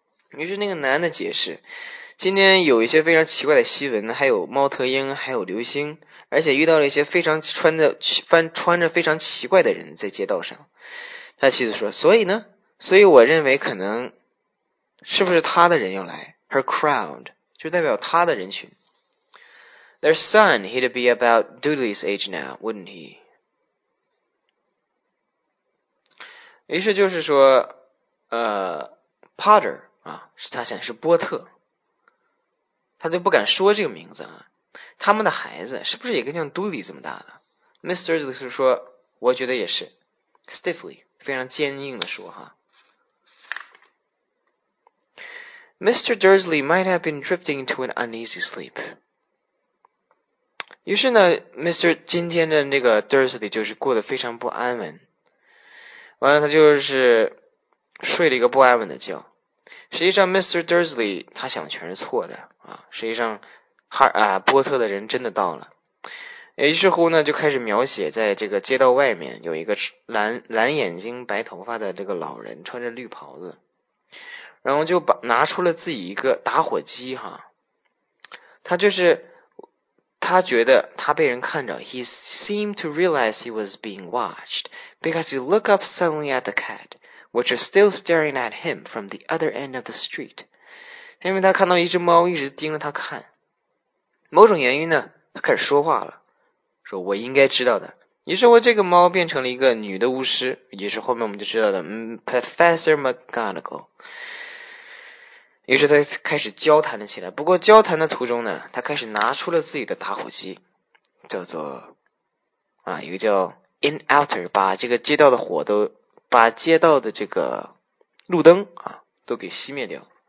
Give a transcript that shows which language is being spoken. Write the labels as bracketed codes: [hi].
[zh] 于是那个男的解释，今天有一些非常奇怪的新闻，还有猫头鹰，还有流星，而且遇到了一些非常穿着非常奇怪的人在街道上。他妻子说，所以我认为可能是不是他的人要来 , [en] her crowd, [zh] 就代表他的人群。 [en] Their son, he'd be about Dudley's age now, wouldn't he? [zh] 于是就是说Potter,啊，是他想是波特，他就不敢说这个名字啊。他们的孩子是不是也跟像 Dudley 这么大的 ？Mr. 就是说，我觉得也是 ，stiffly 非常坚硬的说哈。 [en] Mr. Dursley might have been drifting into an uneasy sleep 。 [zh] 于是呢 ，Mr. 今天的那个 Dursley 就是过得非常不安稳，完了他就是睡了一个不安稳的觉。实际上 Mr. Dursley 他想的全是错的啊，实际上波特的人真的到了。于是乎呢，就开始描写在这个街道外面有一个蓝眼睛白头发的这个老人，穿着绿袍子，然后就拿出了自己一个打火机哈。他觉得他被人看着 [en] He seemed to realize he was being watched because he looked up suddenly at the cat which was still staring at him from the other end of the street. [zh] 因为他看到一只猫一直盯着他看，某种原因呢，他开始说话了，说我应该知道的。于是乎这个猫变成了一个女的巫师，于是后面我们就知道的Professor McGonagall。于是他开始交谈了起来，不过交谈的途中呢，他开始拿出了自己的打火机，叫做一个叫 In Outer， 把这个街道的火都把街道的这个路灯都给熄灭掉。